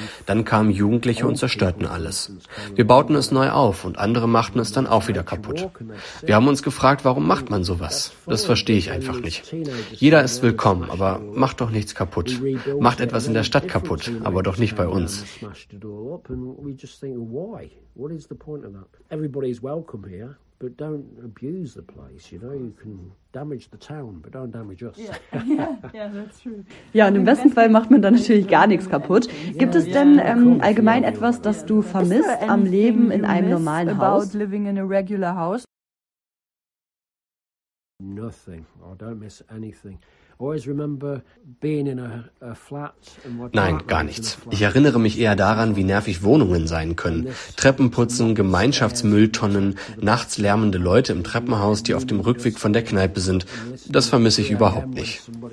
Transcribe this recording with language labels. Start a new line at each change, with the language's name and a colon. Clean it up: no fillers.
German: Dann kamen Jugendliche und zerstörten alles. Wir bauten es neu auf und andere machten es dann auch wieder kaputt. Wir haben uns gefragt, warum macht man sowas? Das verstehe ich einfach nicht. Jeder ist willkommen, aber macht doch nichts kaputt. Macht etwas in der Stadt kaputt, aber doch nicht bei uns.
English: And we just think, why? What is the point of that? Everybody is welcome here, but don't abuse the place, you know? You can damage the town, but don't damage us. Yeah, that's true.
German: Ja, und im besten Fall macht man dann natürlich gar nichts kaputt. Gibt es denn allgemein etwas, das du vermisst am Leben in einem normalen Haus?
English: About living in a regular house? Nothing. I don't miss anything. Always remember being in a flat.
German: Nein, gar nichts. Ich erinnere mich eher daran, wie nervig Wohnungen sein können. Treppenputzen, Gemeinschaftsmülltonnen, nachts lärmende Leute im Treppenhaus, die auf dem Rückweg von der Kneipe sind. Das vermisse ich überhaupt nicht.